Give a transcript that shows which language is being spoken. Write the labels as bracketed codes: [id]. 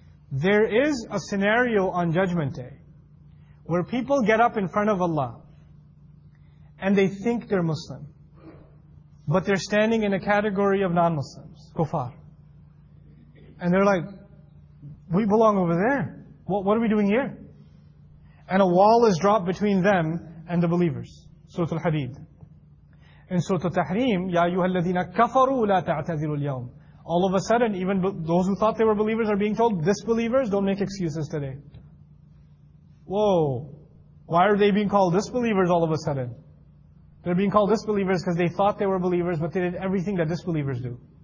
[en] There is a scenario on Judgment Day where people get up in front of Allah and they think they're Muslim, but they're standing in a category of non-Muslims, kufar. And they're like, we belong over there. What are we doing here? And a wall is dropped between them and the believers. Surah Al-Hadid. In Surah Al-Tahrim, [ar] يَا أَيُّهَا الَّذِينَ كَفَرُوا لَا تَعْتَذِرُوا الْيَوْمِ. [en] All of a sudden, even those who thought they were believers are being told, disbelievers, don't make excuses today. Whoa. Why are they being called disbelievers all of a sudden? They're being called disbelievers because they thought they were believers, but they did everything that disbelievers do.